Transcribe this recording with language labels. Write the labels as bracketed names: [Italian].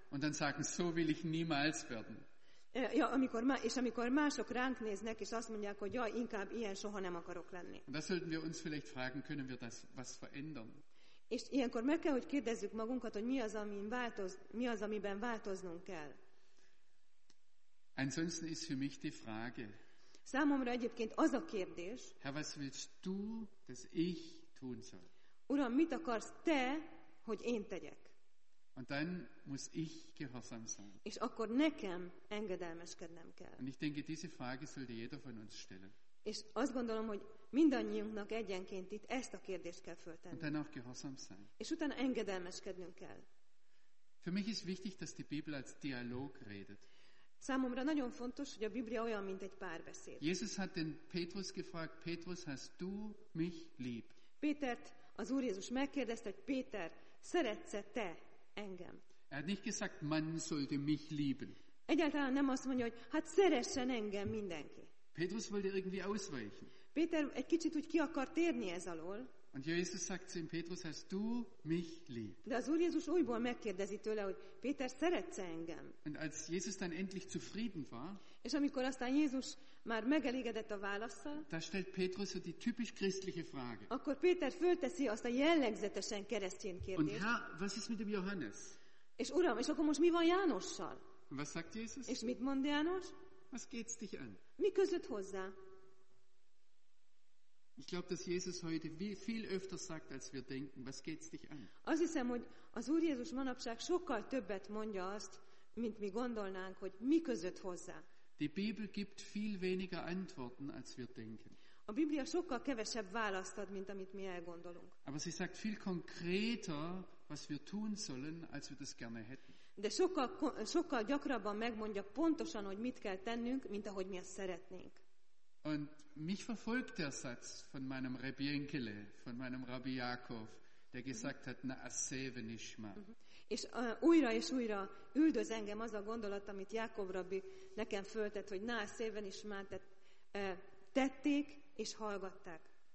[German] Und dann sagen, so will ich niemals werden. [Hungarian] Ja, amikor mások ránk néznek, és azt mondják, hogy ja, inkább ilyen soha nem akarok lenni. [German] Und das sollten wir uns vielleicht fragen, können wir das was verändern? [Hungarian] És ilyenkor meg kell, hogy kérdezzük magunkat, hogy mi az, amiben változnunk kell. [German] Ansonsten ist für mich die Frage. [Hungarian] Számomra egyébként az a kérdés. [German] Herr, was willst du, dass ich tun soll? [Hungarian] Uram, mit akarsz te, hogy én tegyek? [German] Und dann muss ich gehorsam sein. [Hungarian] És akkor nekem engedelmeskednem kell. [German] Und ich denke, diese Frage sollte jeder von uns stellen. [Hungarian] És azt gondolom, hogy mindannyiunknak egyenként itt ezt a kérdést kell föltenni. [German] Und dann auch gehorsam sein. [Hungarian] És utána engedelmeskednünk kell. [German] Für mich ist wichtig, dass die Bibel als Dialog redet. [Hungarian] Számomra nagyon fontos, hogy a Biblia olyan, mint egy párbeszéd. [German] Jesus hat den Petrus gefragt, Petrus, hast du mich lieb? [Hungarian] Pétert az Úr Jézus megkérdezte, hogy Péter, szeretsz-e te engem? [German] Er hat nicht gesagt, man sollte mich lieben. [Hungarian] Egyáltalán nem azt mondja, hogy hát szeressen engem mindenki. [German] Petrus wollte irgendwie ausweichen. [Hungarian] Péter egy kicsit úgy ki akar térni ez alól. [German] Und Jesus sagt zu ihm, Petrus, hast du mich lieb? [Hungarian] De az Úr Jézus újból megkérdezi tőle, hogy Péter, szeretsz-e engem? [German] Und als Jesus dann endlich zufrieden war, [Hungarian] és amikor aztán Jézus már megelégedett a válaszsal, [German] da stellt Petrus so die typisch christliche Frage. [Hungarian] Akkor Péter fölteszi azt a jellegzetesen keresztény kérdést. [German] Und Herr, was ist mit dem Johannes? [Hungarian] És Uram, és akkor most mi van Jánossal? [German] Und was sagt Jesus? [Hungarian] És mit mond János? [German] Was geht's dich an? [Hungarian] Mi között hozzá? [German] Ich glaube, dass Jesus heute viel öfter sagt, als wir denken. Was geht's dich an? [Hungarian] Az hiszem, hogy az Úr Jézus manapság sokkal többet mondja azt, mint mi gondolnánk, hogy mi között hozzá. [German] Die Bibel gibt viel weniger Antworten, als wir denken. [Hungarian] A Biblia sokkal kevesebb választ ad, mint amit mi elgondolunk. [German] Aber sie sagt viel konkreter, was wir tun sollen, als wir das gerne hätten. [Hungarian] De sokkal, sokkal gyakrabban megmondja pontosan, hogy mit kell tennünk, mint ahogy mi azt szeretnénk. [German] Und mich verfolgt der Satz von meinem Rabbi Enkele, von meinem Rabbi Jakob, der gesagt hat, [Hebrew] na aszeve nishma. [Hungarian] És újra és újra üldöz engem az a gondolat, amit Jákob rabbi nekem föltett, hogy [Hebrew] na aszeve nishma, [Hungarian] tették és hallgatták.